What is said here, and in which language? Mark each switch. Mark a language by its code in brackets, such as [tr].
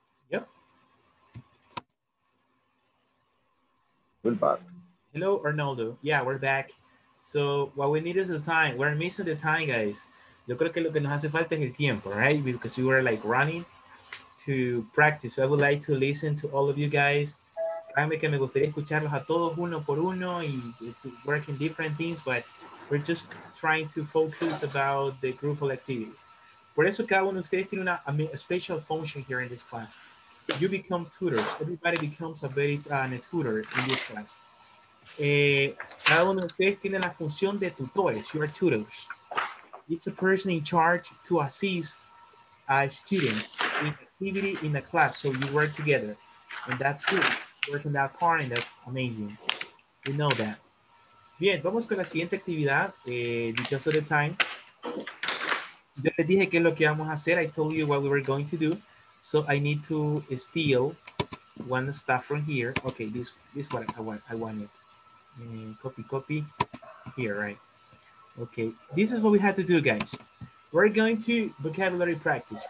[en] Yep. We're back. Hello, Arnoldo. Yeah, we're back. So, what we need is the time. We're missing the time, guys. [es] Yo creo que lo que nos hace falta es el tiempo, [en] right? Because we were like running to practice. So I would like to listen to all of you guys. [es] Créanme que me gustaría escucharlos a todos uno por uno. [en] Y it's working different things, but we're just trying to focus about the group of activities. [es] Por eso cada uno de ustedes tiene [en] a special function here in this class. You become tutors. Everybody becomes a tutor in this class. [es] Cada uno de ustedes tiene la función de tutores. [en] You are tutors. It's a person in charge to assist a student in activity in a class. So you work together. And that's good. Working that part, and that's amazing. You know that. [es] Bien, vamos con la siguiente actividad. [en] Because of the time. [es] Yo les dije qué es lo que vamos a hacer. [en] I told you what we were going to do. So I need to steal one stuff from here. Okay, this is what I want it. Copy here, right? Okay, this is what we had to do, guys. We're going to vocabulary practice.